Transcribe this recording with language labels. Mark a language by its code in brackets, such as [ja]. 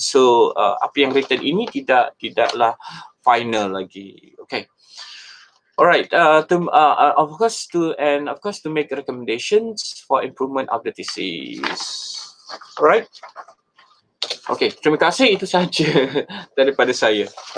[ms] So apa yang written ini tidaklah final lagi. [en] Okay. Alright. Of course to make recommendations for improvement of the thesis. Alright. Okay. [ms] Terima kasih, itu sahaja daripada saya.